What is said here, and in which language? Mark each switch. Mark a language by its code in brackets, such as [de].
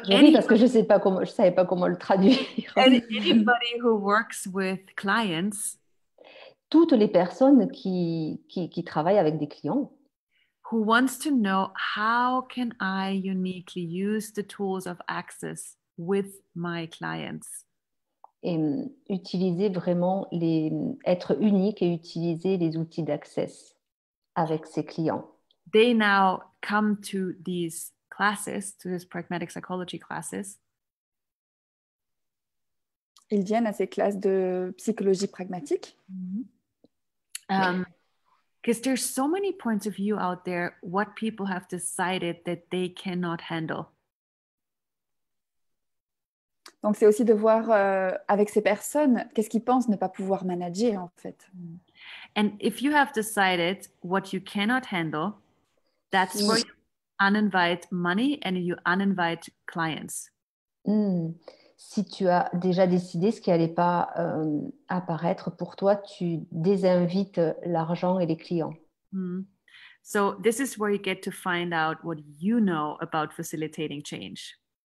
[fr] je dis parce que je savais pas comment le traduire. [en] Anybody who works with clients, [fr] toutes les personnes qui travaillent avec des clients, [en] who wants to know how can I uniquely use the tools of access with my clients, [fr] et utiliser vraiment les être unique et utiliser les outils d'access avec ses clients. [en] They now come to these classes, to these pragmatic psychology classes. [fr] Ils viennent à ces classes de psychologie pragmatique. [en] Because there's so many points of view out there, what people have decided that they cannot handle. [fr] Donc c'est aussi de voir avec ces personnes, qu'est-ce qu'ils pensent ne pas pouvoir manager en fait. [en] And if you have decided what you cannot handle, that's where you uninvite money and you uninvite clients. [fr] Si tu as déjà décidé ce qui n'allait pas apparaître pour toi, tu désinvites l'argent et les clients. [en] So this is where you get to find out what you know about facilitating change.